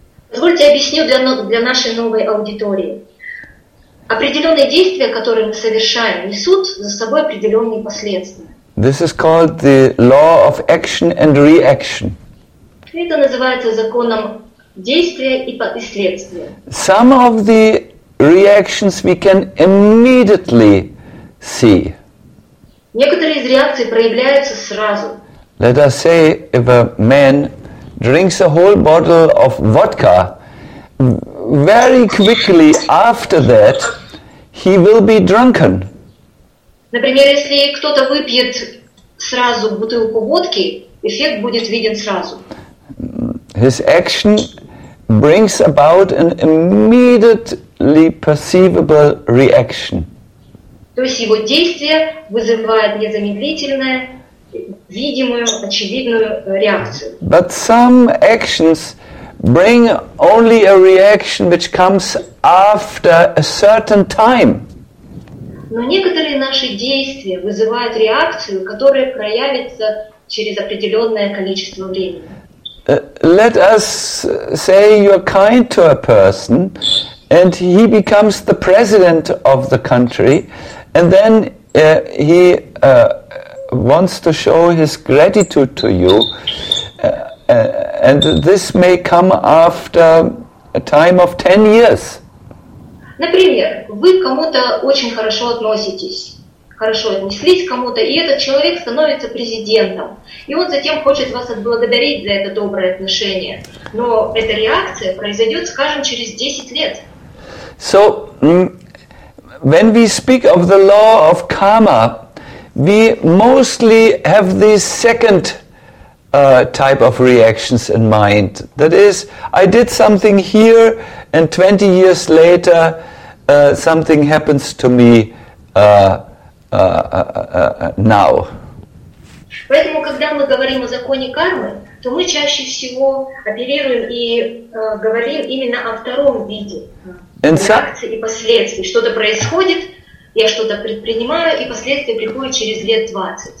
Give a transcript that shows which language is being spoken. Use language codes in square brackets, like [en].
[ru] Позвольте объясню для нашей новой аудитории. Определенные действия, которые мы совершаем, несут за собой определенные последствия. [en] This is called the law of action and reaction. [ru] Это называется законом действия и последствия. [en] Some of the reactions we can immediately see. [ru] Некоторые из реакций проявляются сразу. [en] Let us say, if a man drinks a whole bottle of vodka, very quickly after that, he will be drunken. [ru] Например, если кто-то выпьет сразу бутылку водки, эффект будет виден сразу. [en] His action brings about an immediately perceivable reaction. [ru] То есть его действие вызывает незамедлительную, видимую, очевидную реакцию. [en] But some actions bring only a reaction which comes after a certain time. [ru] Но некоторые наши действия вызывают реакцию, которая проявится через определенное количество времени. [en] Let us say you're kind to a person, and he becomes the president of the country, and then he wants to show his gratitude to you, and this may come after a time of 10 years. [ru] Например, вы к кому-то очень хорошо относитесь, хорошо отнеслись к кому-то, и этот человек становится президентом, и он затем хочет вас отблагодарить за это доброе отношение. Но эта реакция произойдет, скажем, через 10 лет. [en] So, when we speak of the law of karma, we mostly have this second type of reactions in mind. That is, I did something here, and 20 years later, something happens to me now. [ru] Поэтому, когда мы говорим о законе кармы, то мы чаще всего оперируем и говорим именно о втором виде. Реакции и последствия. Что-то происходит, я что-то предпринимаю, и последствия приходят через лет 20.